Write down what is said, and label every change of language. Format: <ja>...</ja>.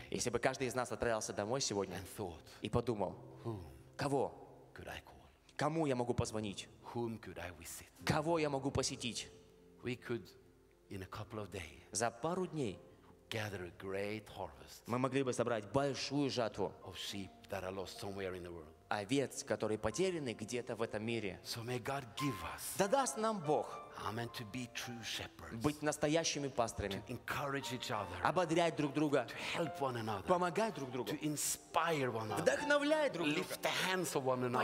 <ru>если бы каждый из нас отправился домой сегодня,</ru> <en>and thought,</en> <ru>и подумал,</ru> <en>whom</en> <ru>кого,</ru> <en>could I call?</en> <ru>Кому я могу позвонить?</ru> <en>Whom could I visit?</en> <ru>Кого я могу посетить?</ru> <en>We could, in a couple of days,</en> <ru>за пару дней,</ru> <en>gather a great harvest,</en> <ru>мы могли бы собрать большую жатву</ru> <en>of sheep that are lost somewhere in the world,</en> <ru>овец, которые потеряны где-то в этом мире.</ru> <en>So may God give us,</en> <ru>да даст нам Бог,</ru> <en>amen, to be true shepherds,</en> <ru>быть настоящими пастырями,</ru> <en>to encourage each other,</en> <ru>ободрять друг друга,</ru> <en>to help one another,</en> <ru>помогать друг другу,</ru> <en>to inspire one another,</en> <ru>вдохновлять друг друга,</ru> <en>lift the hands of one another,</en>